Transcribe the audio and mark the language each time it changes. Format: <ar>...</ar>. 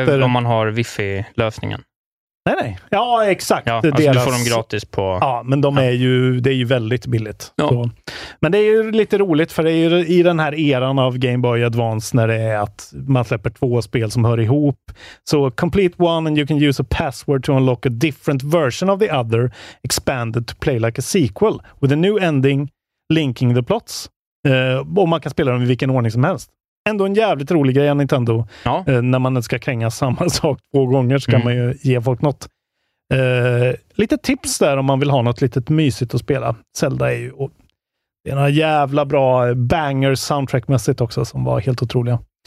<sv>efter... om man har Wi-Fi-lösningen. Nej. Ja, exakt. Ja, alltså du får dem gratis på... Ja, men det är ju väldigt billigt. Ja. Så. Men det är ju lite roligt, för det är ju i den här eran av Game Boy Advance när det är att man släpper två spel som hör ihop.</sv> <en>Så complete one and you can use a password to unlock a different version of the other expanded to play like a sequel with a new ending linking the plots.</en> <sv>Och man kan spela dem i vilken ordning som helst. Ändå en jävligt rolig grej, Nintendo. Ja. När man ska kränga samma sak två gånger så kan man ju ge folk något. Lite tips där om man vill ha något litet mysigt att spela. Zelda är ju en jävla bra banger soundtrackmässigt också som var helt otroliga.</sv>